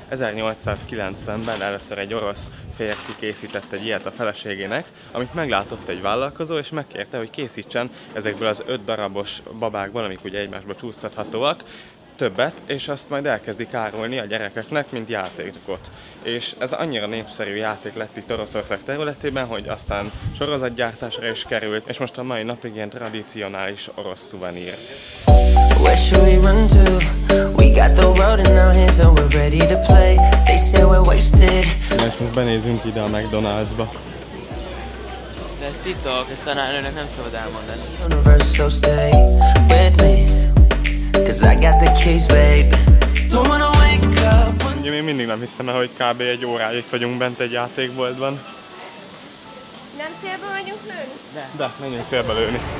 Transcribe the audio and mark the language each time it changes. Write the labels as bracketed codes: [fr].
[hu] 1890-ben először egy orosz férfi készített egy ilyet a feleségének, amit meglátott egy vállalkozó, és megkérte, hogy készítsen ezekből az 5 darabos babákból, amik ugye egymásba csúsztathatóak, többet, és azt majd elkezdik árulni a gyerekeknek, mint játékot. És ez annyira népszerű játék lett itt Oroszország területében, hogy aztán sorozatgyártásra is került, és most a mai napig ilyen tradicionális orosz szuvenír. [en] Where should we run to? We got the world in our hands and we're ready to play. They say we're wasted. [hu] Most benézünk ide a McDonald's-ba. De ez titok, ezt tanárnőnek nem szabad elmondani. [en] Universe, so stay with me. Cause I got the keys, babe. Don't wanna wake up. [hu] mindig nem hiszem el, hogy kb. Egy óráig itt vagyunk bent egy játékboltban. Nem célba vagyunk lőni? De. De, menjünk célba lőni.